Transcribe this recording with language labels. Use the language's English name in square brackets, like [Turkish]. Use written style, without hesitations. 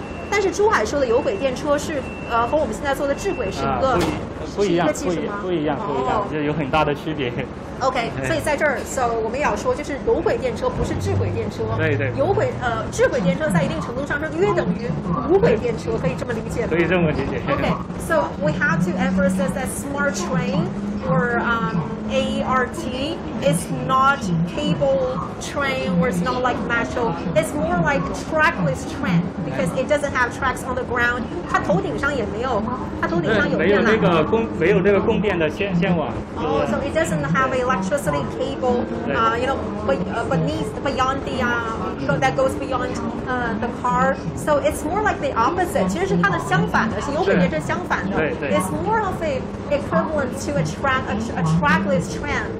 [Chinese] 但是珠海说的有轨电车是和我们现在做的智轨是一个不一样，就有很大的区别。 OK， 所以在这儿，我们要说就是有轨电车不是智轨电车。对，有轨智轨电车在一定程度上是约等于无轨电车，可以这么理解吗？可以这么理解。 [English] OK，so、okay, we have to emphasize that smart train or ART is not cable train or it's not like metro. It's more like trackless train because it doesn't have tracks on the ground. [Chinese] 它头顶上也没有，它头顶上有电缆。没有那个供电的线网。 [English] So it doesn't have electricity cable. That goes beyond the car. So it's more like the opposite. [Chinese] 其实是它的相反的，是有轨电车相反的。对。 [English] It's more of a equivalent to a trackless train.